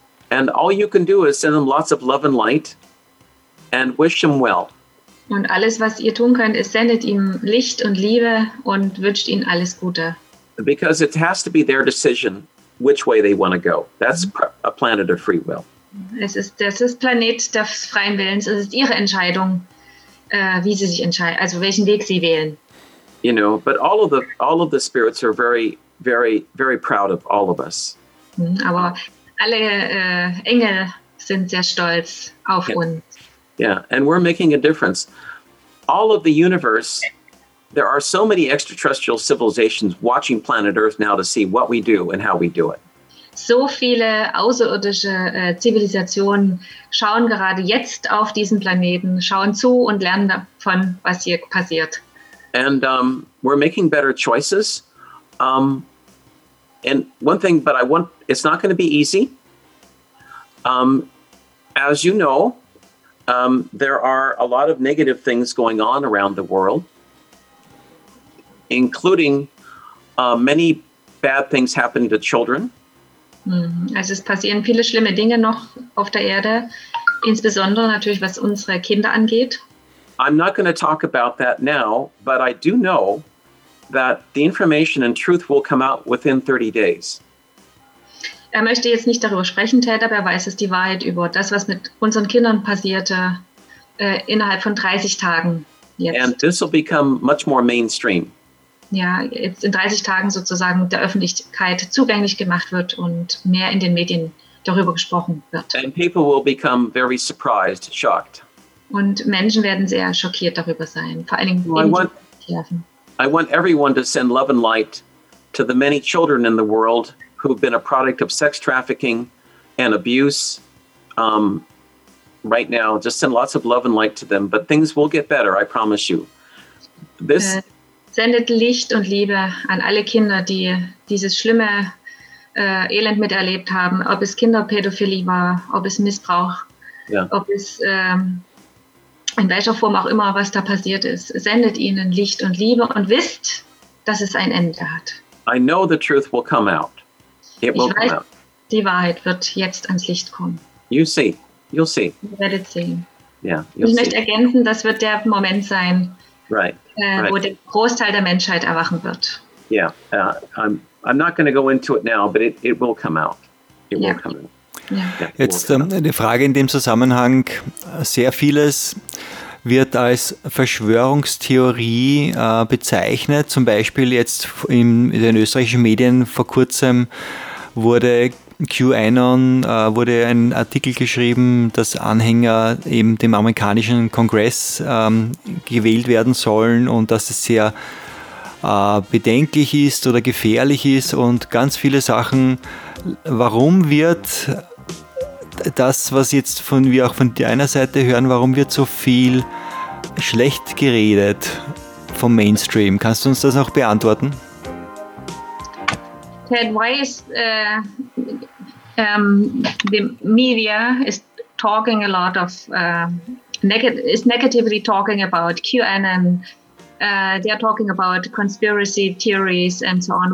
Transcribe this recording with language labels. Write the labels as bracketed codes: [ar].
[en] And all you can do is send them lots of love and light and wish them well. [de] Und alles, was ihr tun könnt, ist, sendet ihm Licht und Liebe und wünscht ihnen alles Gute. [en] Because it has to be their decision which way they want to go. That's a planet of free will. [de] Das ist Planet des freien Willens. Es ist ihre Entscheidung, wie sie sich entscheiden, also welchen Weg sie wählen. [en] You know, but all of the spirits are very, very, very proud of all of us. [de] Aber alle Engel sind sehr stolz auf uns. [en] Yeah, and we're making a difference. All of the universe, there are so many extraterrestrial civilizations watching planet Earth now to see what we do and how we do it. [de] so viele außerirdische Zivilisationen schauen gerade jetzt auf diesen Planeten, schauen zu und lernen davon, was hier passiert. [en] And we're making better choices. And one thing, but I want, it's not going to be easy. As you know, there are a lot of negative things going on around the world, including many bad things happening to children. [de] Also es passieren viele schlimme Dinge noch auf der Erde, insbesondere natürlich, was unsere Kinder angeht. [en] I'm not going to talk about that now, but I do know that the information and truth will come out within 30 days. [de] Er möchte jetzt nicht darüber sprechen, Ted, aber er weiß, dass die Wahrheit über das, was mit unseren Kindern passierte, innerhalb von 30 Tagen jetzt. [en] And this will become much more mainstream. [de] Ja, jetzt in 30 Tagen sozusagen der Öffentlichkeit zugänglich gemacht wird und mehr in den Medien darüber gesprochen wird. [en] And people will become very surprised, shocked. [de] Und Menschen werden sehr schockiert darüber sein, vor allen Dingen [en] I want everyone to send love and light to the many children in the world who have been a product of sex trafficking and abuse. Right now, just send lots of love and light to them. But things will get better, I promise you. [de] This sendet Licht und Liebe an alle Kinder, die dieses schlimme Elend miterlebt haben, ob es Kinderpädophilie war, ob es Missbrauch, ob es in welcher Form auch immer, was da passiert ist. Sendet ihnen Licht und Liebe und wisst, dass es ein Ende hat. [en] I know the truth will come out. It will come out. [de] Die Wahrheit wird jetzt ans Licht kommen. [en] You see. You'll see. [de] Ihr werdet sehen. [en] Yeah, you'll [de] ich möchte ergänzen, das wird der Moment sein, [en] right. [de] wo der Großteil der Menschheit erwachen wird. [en] Yeah, I'm not going to go into it now, but it will come out. It will come out. [de] Jetzt eine Frage in dem Zusammenhang. Sehr vieles wird als Verschwörungstheorie bezeichnet. Zum Beispiel jetzt in den österreichischen Medien vor kurzem wurde QAnon, wurde ein Artikel geschrieben, dass Anhänger eben dem amerikanischen Kongress gewählt werden sollen und dass es sehr bedenklich ist oder gefährlich ist und ganz viele Sachen. Warum wird das, was jetzt von wir auch von deiner Seite hören, warum wird so viel schlecht geredet vom Mainstream? Kannst du uns das noch beantworten? [en] Ted, why is the media is talking a lot of is negatively talking about QAnon? They are talking about conspiracy theories and so on.